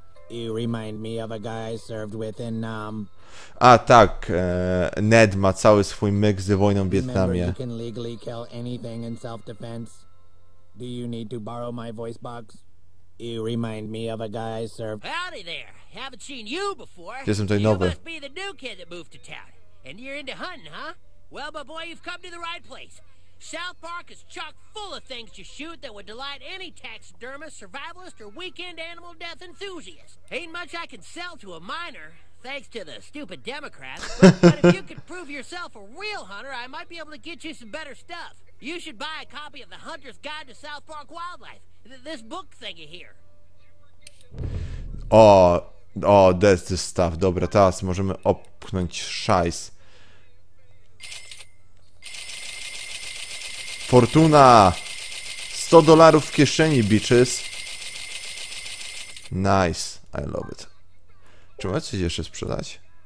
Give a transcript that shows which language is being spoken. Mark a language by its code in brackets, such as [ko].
[en] You remind me of a guy served with in [pl] A tak, Ned ma cały swój myk z wojną w Wietnamie. [en] Remember, you can legally kill anything in self-defense. Do you need to borrow my voice box? You remind me of a guy served. Howdy there. Haven't seen you before. [pl] Jestem tutaj nowy. [en] You must be the new kid that moved to town. And you're into hunting, huh? Well, my boy, you've come to the right place. South Park is chock full of things to shoot that would delight any taxidermist, survivalist, or weekend animal death enthusiast. Ain't much I can sell to a miner, thanks to the stupid Democrats, but if you could prove yourself a real hunter, I might be able to get you some better stuff. You should buy a copy of The Hunter's Guide to South Park Wildlife, this book thingy here. Oh, that's the stuff. [pl] Dobra, teraz możemy opchnąć szajs. Fortuna! $100 w kieszeni, bitches! [en] Nice, I love it. [pl] Czy mogę coś jeszcze sprzedać?